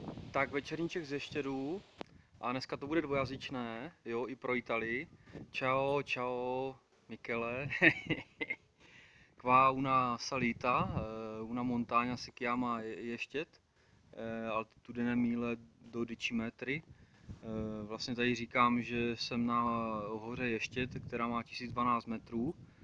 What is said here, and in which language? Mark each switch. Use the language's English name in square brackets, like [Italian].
[Czech] Tak večerníček ze Štědu a dneska to bude dvojazyčné, jo, i pro Italii. [Italian] Ciao, ciao, Michele. Qua una salita, una montagna si chiama Ještěd, altitudine 1012 metri. [Czech] Vlastně tady říkám, že jsem na hoře Ještěd, která má 1012 metrů.